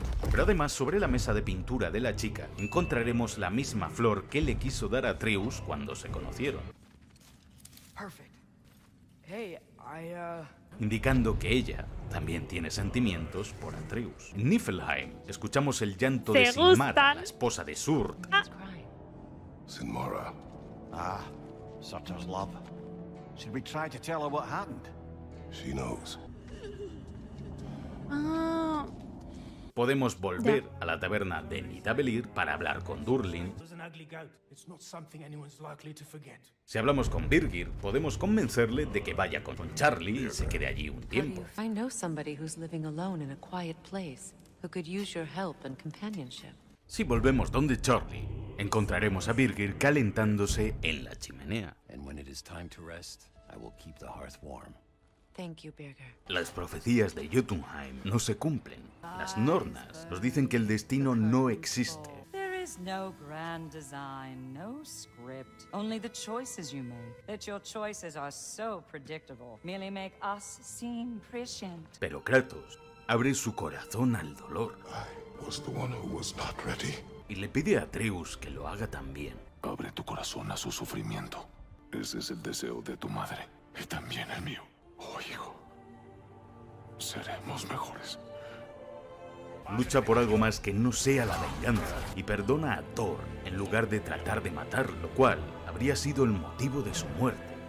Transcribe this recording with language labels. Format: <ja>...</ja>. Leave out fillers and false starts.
<es>Pero además, sobre la mesa de pintura de la chica, encontraremos la misma flor que le quiso dar a Atreus cuando se conocieron.</es> <en>Perfect. Hey, I,</en> <es>Indicando que ella también tiene sentimientos por Atreus. En Niflheim, escuchamos el llanto de Sinmara, la esposa de Surt. Sinmara.</es> <en>Ah, such as love. Should we try to tell her what happened? She knows.</en> <es>Podemos volver a la taberna de Nidavellir para hablar con Durlin. Si hablamos con Birgir, podemos convencerle de que vaya con Charlie y se quede allí un tiempo.</es> <en>I know somebody who's living alone in a quiet place who could use your help and companionship.</en> <es>Si volvemos donde Charlie, encontraremos a Birgir calentándose en la chimenea.</es> <en>And when it is time to rest, I will keep the hearth warm. Thank you, Birger.</en> <es>Las profecías de Jotunheim no se cumplen. Las Nornas nos dicen que el destino no existe.</es> <en>There is no grand design, no script, only the choices you make. That your choices are so predictable merely make us seem prescient.</en> <es>Pero Kratos abre su corazón al dolor.</es> <en>I was the one who was not ready.</en> <es>Y le pide a Atreus que lo haga también. Abre tu corazón a su sufrimiento. Ese es el deseo de tu madre y también el mío. Oh, hijo, seremos mejores. Lucha por algo más que no sea la venganza y perdona a Thor en lugar de tratar de matarlo, lo cual habría sido el motivo de su muerte.</es>